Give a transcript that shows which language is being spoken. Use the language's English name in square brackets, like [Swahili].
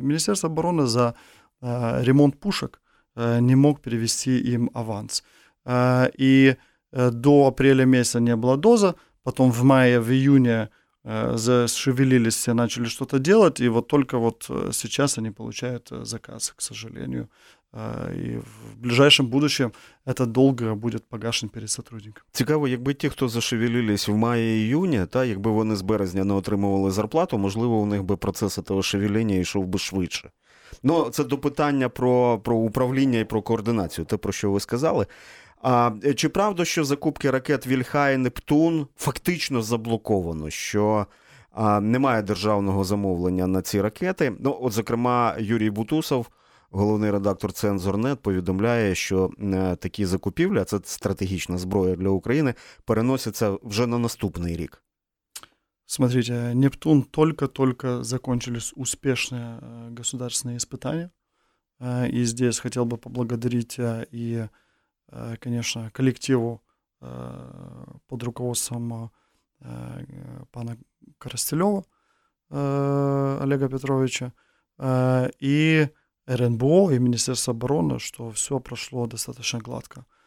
[Russian] Министерство обороны за ремонт пушек не мог перевести им аванс. И до апреля месяца не было ДОЗа, потом в мае, в июне зашевелились все, начали что-то делать, и вот только вот сейчас они получают заказ, к сожалению. [Ukrainian] І в ближайшому будущому цей долг буде погашений перед сотрудником. Цікаво, якби ті, хто зашевелились в маї-июні, та якби вони з березня не отримували зарплату, можливо, у них би процес того шевеління йшов би швидше. Ну, це до питання про управління і про координацію, те, про що ви сказали. А чи правда, що закупки ракет «Вільха» і «Нептун» фактично заблоковано, що немає державного замовлення на ці ракети? Ну, от, зокрема, Юрій Бутусов, головний редактор «Цензорнет», повідомляє, що такі закупівлі, а це стратегічна зброя для України, переносяться вже на наступний рік. Смотрите, «Нептун» тільки-тільки закінчились успішні державні іспитання. І тут хотів би поблагодарити і, звісно, колективу під руководством пана Коростельова Олега Петровича. [Russian] І РНБО и Министерство обороны, что все прошло достаточно гладко.